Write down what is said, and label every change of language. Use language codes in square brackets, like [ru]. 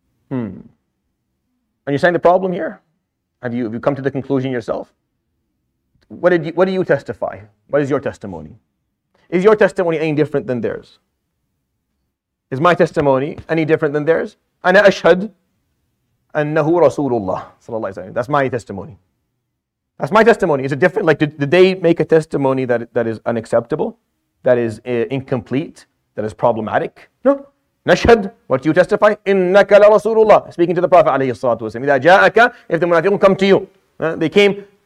[en] Are you saying the problem here? Have you come to the conclusion yourself? What do you testify? What is your testimony? Is your testimony any different than theirs? Is my testimony any different than theirs? [ar] أنا أشهد أنه رسول الله صلى الله عليه وسلم. [en] That's my testimony. That's my testimony. Is it different? Like, did they make a testimony that is unacceptable, that is incomplete, that is problematic? No. نشهد. What do you testify? [ar] إنك لرسول الله. [en] Speaking to the Prophet عليه الصلاة والسلام. [ar] إذا جاءك, [en] if the munafiqun come to you, they came.